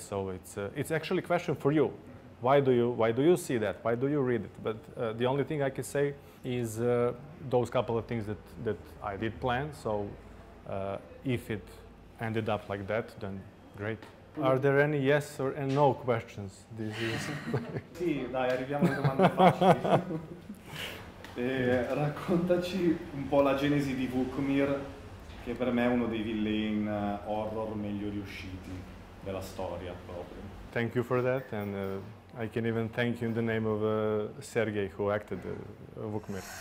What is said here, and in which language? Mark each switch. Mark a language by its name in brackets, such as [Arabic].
[English] So it's actually a question for you. Why do you see that? Why do you read it? But the only thing I can say is those couple of things that I did plan. So if it ended up like that, then great. Are there any yes or and no questions? This is. [Italian] Sì, dai, arriviamo alle domande facili. E raccontaci un po' la genesi di Vukmir, che per me è uno dei villain horror meglio riusciti della storia proprio. [English] Thank you for that, and I can even thank you in the name of Sergei, who acted Vukmir.